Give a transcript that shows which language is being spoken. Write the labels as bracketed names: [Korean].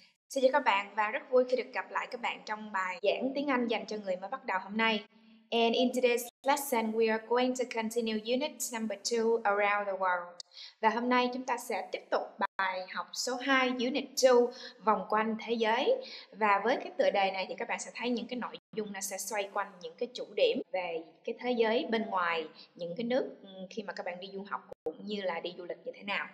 [Vietnamese] Xin chào các bạn và rất vui khi được gặp lại các bạn trong bài giảng tiếng Anh dành cho người mới bắt đầu hôm nay. [English] And in today's lesson, we are going to continue unit number 2 around the world. [Vietnamese] Và hôm nay chúng ta sẽ tiếp tục bài học số 2, unit 2, vòng quanh thế giới. Và với cái tựa đề này thì các bạn sẽ thấy những cái nội dung nó sẽ xoay quanh những cái chủ điểm về cái thế giới bên ngoài, những cái nước khi mà các bạn đi du học cũng như là đi du lịch như thế nào.